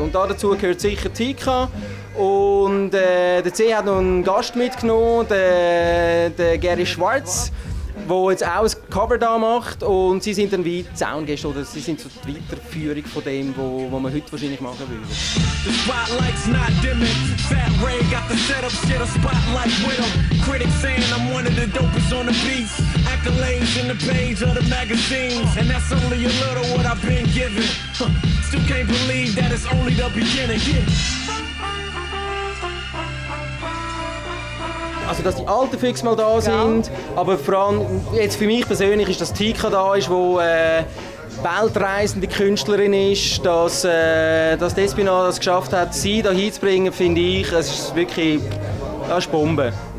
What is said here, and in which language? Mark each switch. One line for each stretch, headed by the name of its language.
German: Und dazu gehört sicher Tika. Und der C hat noch einen Gast mitgenommen, der Gary Schwarz, der jetzt auch ein Cover da macht. Und sie sind dann wie Soundgäste oder sie sind so die Weiterführung von dem, was man heute wahrscheinlich machen würde.
English: The spotlight's not dimming. Fat Ray got the setup, shit a spotlight with him. Critics saying I'm one of the dopest on the beats. Accolades in the page of the magazines. And that's only a little what I've been given. Still can't believe that it's only the beginning.
German: Also, dass die alten Füchse mal da sind, ja. Aber vor allem, jetzt für mich persönlich ist, dass Tika da ist, wo weltreisende Künstlerin ist, dass Despina das geschafft hat, sie da hinzubringen, finde ich, es ist wirklich, das ist Bombe.